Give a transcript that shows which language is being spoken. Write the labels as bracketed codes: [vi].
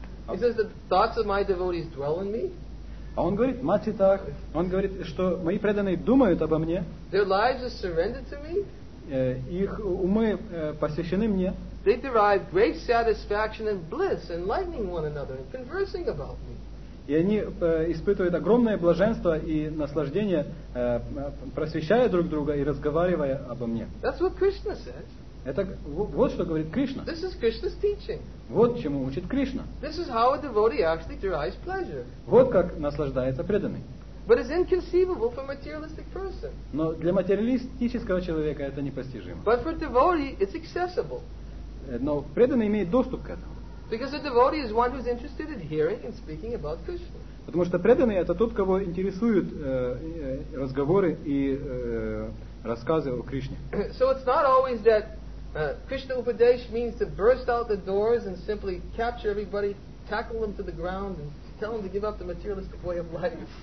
[en] He says, "The thoughts of my devotees dwell in me." [ru] А он говорит, "Machchitak." Он говорит, что мои преданные думают обо мне. [en] Their lives are surrendered to me. [ru] Их умы посвящены мне. [en] They derive great satisfaction and bliss, enlightening one another and conversing about me. [ru] И они испытывают огромное блаженство и наслаждение, просвещая друг друга и разговаривая обо мне. [en] That's what Krishna says. [ru] Это вот что говорит Кришна. [en] This is Krishna's teaching. [ru] Вот чему учит Кришна. [en] This is how a devotee actually derives pleasure. [ru] Вот как наслаждается преданный. [en] But it's inconceivable for a materialistic person. [ru] Но для материалистического человека это непостижимо. [en] But for a devotee it's accessible. [ru] Но преданный имеет доступ к этому. [en] Because a devotee is one who is interested in hearing and speaking about Krishna. [ru] Потому что преданный это тот, кого интересуют разговоры и рассказы о Кришне. [en] So it's not always that Krishna upadesh means to burst out the doors and simply capture everybody, tackle them to the ground and tell them to give up the materialistic way of life.